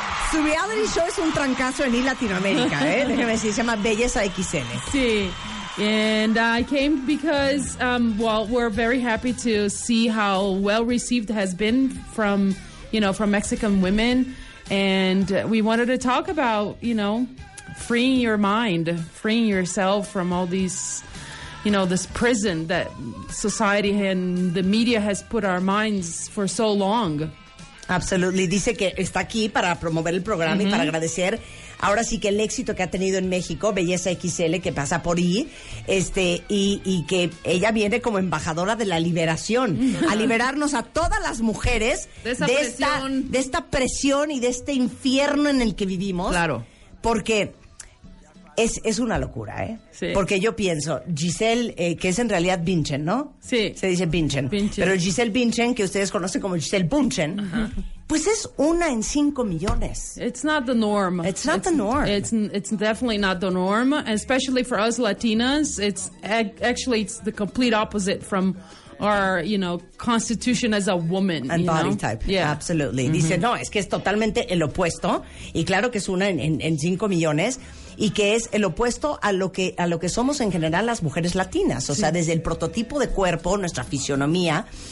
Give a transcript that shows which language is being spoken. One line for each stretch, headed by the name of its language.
Spanish: Su reality show es un trancazo en Latinoamérica, ¿eh? Déjeme decir, se llama Belleza XL. Sí.
English: And I came because, we're very happy to see how well received has been from, you know, from Mexican women. And we wanted to talk about, you know, freeing your mind, freeing yourself from all these, you know, this prison that society and the media has put our minds for so long. Absolutely.
Spanish: Dice que está aquí para promover el programa, mm-hmm, y para agradecer. Ahora sí que el éxito que ha tenido en México, Belleza XL, que pasa por ahí, y que ella viene como embajadora de la liberación, a liberarnos a todas las mujeres de esta presión y de este infierno en el que vivimos. Claro. Porque es una locura, ¿eh? Sí. Porque yo pienso, Giselle, que es en realidad Bündchen, ¿no? Sí. Se dice Bündchen. Pero Giselle Bündchen, que ustedes conocen como Giselle Bündchen, pues es una en 5 millones.
English: It's not the norm. It's not the norm. It's definitely not the norm, especially for us Latinas. It's the complete opposite from our, you know, constitution as a woman. And body know? Type. Yeah. Absolutely. Mm-hmm.
Spanish: Dice, no, es que es totalmente el opuesto. Y claro que es una en 5 millones. Y que es el opuesto a lo que somos en general las mujeres latinas. O sea, desde el prototipo de cuerpo, nuestra fisionomía.